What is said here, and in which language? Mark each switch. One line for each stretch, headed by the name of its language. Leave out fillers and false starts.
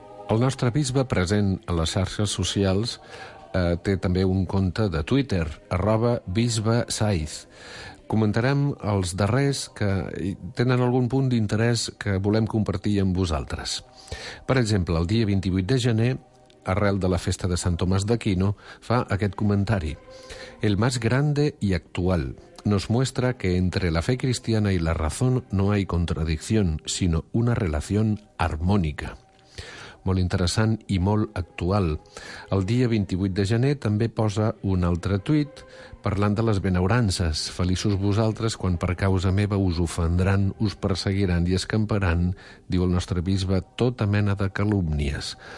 Catalan: El nostre bisbe present a les xarxes socials té també un compte de Twitter, @bisbesaiz. Comentarem els darrers que tenen algun punt d'interès que volem compartir amb vosaltres. Per exemple, el dia 28 de gener, arrel de la festa de Sant Tomàs d'Aquino, fa aquest comentari.
Spanish: El más grande y actual nos muestra que entre la fe cristiana y la razón no hay contradicción, sino una relación armónica.
Catalan: Molt interessant i molt actual. El dia 28 de gener també posa un altre tuit parlant de les benaurances. Feliços vosaltres quan per causa meva us ofendran, us perseguiran i escamparan, diu el nostre bisbe, tota mena de calúmnies.